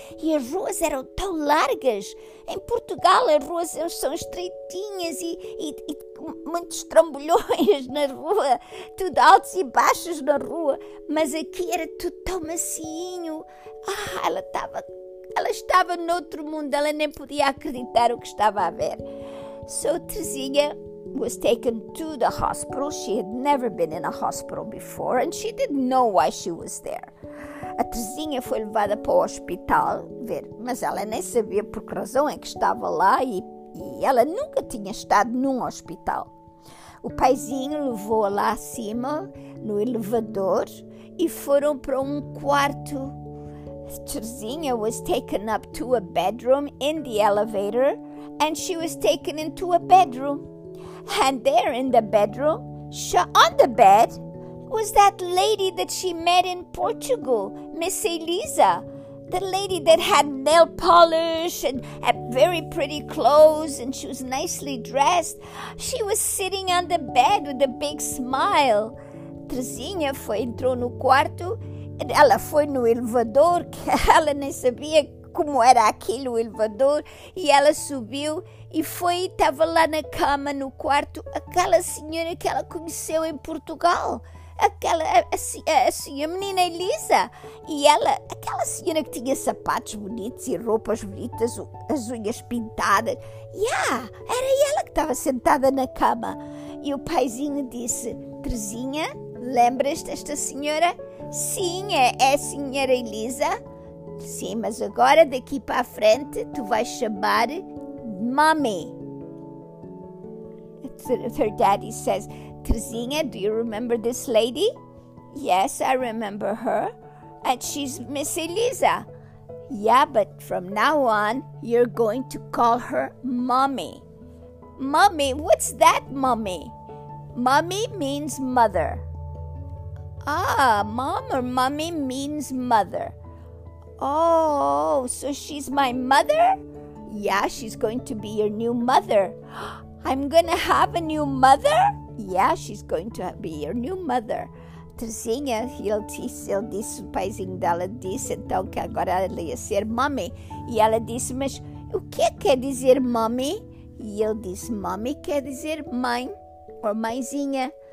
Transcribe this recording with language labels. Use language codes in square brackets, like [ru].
[pt] E as ruas eram tão largas. Em Portugal as ruas são estreitinhas e muitos trambolhões na rua, tudo altos e baixos na rua. Mas aqui era tudo tão macinho. Ah, ela estava noutro mundo, ela nem podia acreditar o que estava a ver. [en] So, Teresinha was taken to the hospital. She had never been in a hospital before, and she didn't know why she was there. [pt] A Teresinha foi levada para o hospital ver, mas ela nem sabia por que razão é que estava lá, e ela nunca tinha estado num hospital. O paizinho levou-a lá acima, no elevador, e foram para um quarto. [en] Teresinha was taken up to a bedroom in the elevator, and she was taken into a bedroom. And there in the bedroom, on the bed, was that lady that she met in Portugal, Miss Elisa. The lady that had nail polish and had very pretty clothes, and she was nicely dressed. She was sitting on the bed with a big smile. [pt] Teresinha entrou no quarto. Ela foi no elevador, que ela nem sabia como era aquele elevador, e ela subiu e foi, estava lá na cama, no quarto, aquela senhora que ela conheceu em Portugal, aquela menina Elisa, e ela, aquela senhora que tinha sapatos bonitos e roupas bonitas, as unhas pintadas, era ela que estava sentada na cama. E o paizinho disse, Teresinha, lembras desta senhora? Sim, é a senhora Elisa. Sim, mas agora daqui para a frente tu vais chamar Mami. [en] Her daddy says, Teresinha, do you remember this lady? Yes, I remember her. And she's Miss Elisa. Yeah, but from now on, you're going to call her Mami. Mami, what's that, Mami? Mami means mother. Ah, mom or mommy means mother. Oh, so she's my mother? Yeah, she's going to be your new mother. I'm gonna have a new mother? Yeah, she's going to be your new mother. [pt] Teresinha, ele disse, o paizinho dela disse, então que agora ela ia ser mommy. E ela disse, mas o que quer dizer mommy? E ele disse, mommy quer dizer mãe, ou mãezinha.